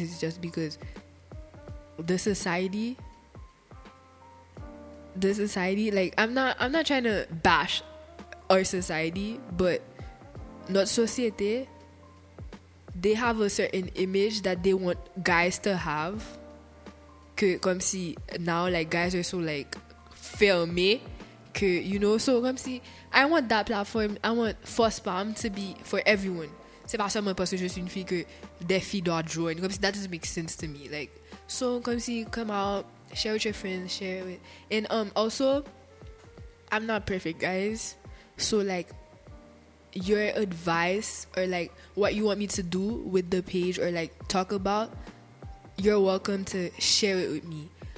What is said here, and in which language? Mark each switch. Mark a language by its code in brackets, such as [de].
[en] It's just because the society, like, I'm not trying to bash our society, but [fr] notre société, [en] they have a certain image that they want guys to have, [fr] que comme si [en] now, like, guys are so, like, [fr] fermé, que, [en] you know. So [fr] comme si, [en] I want that platform, I want First Pop to be for everyone. [fr] C'est pas seulement parce que je suis une fille que des filles doivent join. Comme si, [en] that doesn't make sense to me. Like, so [fr] comme si, [en] come out, share with your friends, share with, and also, I'm not perfect, guys. So, like, your advice, or, like, what you want me to do with the page, or, like, talk about, you're welcome to share it with me.